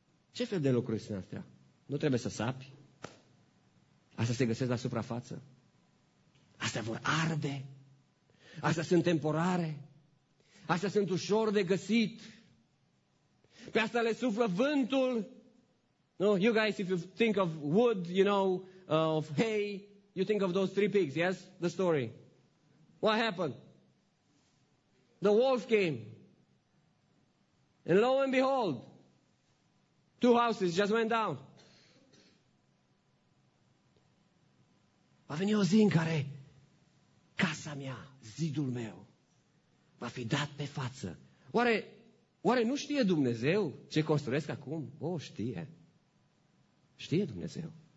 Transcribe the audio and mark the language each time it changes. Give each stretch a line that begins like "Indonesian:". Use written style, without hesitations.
Romanian: Ce fel de lucruri sunt astea? Nu trebuie să sapi? Asta se găsesc la suprafață? Astea vor arde? Astea sunt temporare? Astea sunt ușor de găsit? Pe asta le suflă vântul?
English: No, you guys, if you think of wood, you know, of hay, you think of those three pigs, yes? The story. What happened? The wolf came. And lo and behold, two houses just went down.
Romanian: Va veni o zi în care casa mea, zidul meu, va fi dat pe față. Oare nu știe Dumnezeu ce construiesc acum? O, știe. Știe Dumnezeu.